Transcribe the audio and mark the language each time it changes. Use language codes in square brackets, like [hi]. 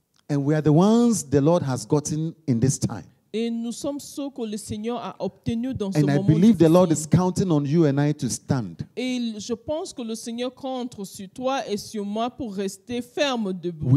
[en] And we are the ones the Lord has gotten in this time. [fr] Et nous sommes ceux que le Seigneur a obtenu dans ce moment. [en] And I believe the Lord is counting on you and I to stand. [fr] Et je pense que le Seigneur compte sur toi et sur moi pour rester ferme debout.